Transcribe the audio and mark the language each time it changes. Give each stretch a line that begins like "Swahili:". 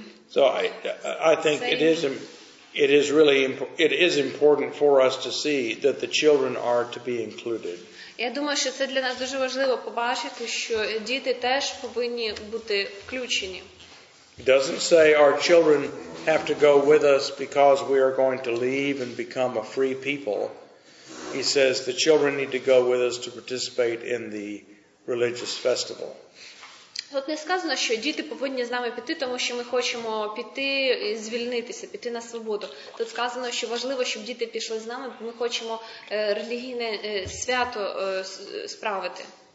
English: So I think it is important for us to see that the children are to be included.
Ukrainian: Я думаю, що це для нас дуже важливо побачити, що діти теж повинні бути включені.
English: It doesn't say our children have to go with us because we are going to leave and become a free people. He says the children need to go with us to participate in the religious festival.
Ukrainian: Тут не сказано, що діти повинні з нами піти, тому що ми хочемо піти і звільнитися, піти на свободу. Тут сказано, що важливо, щоб діти пішли з нами, бо ми хочемо релігійне свято справити.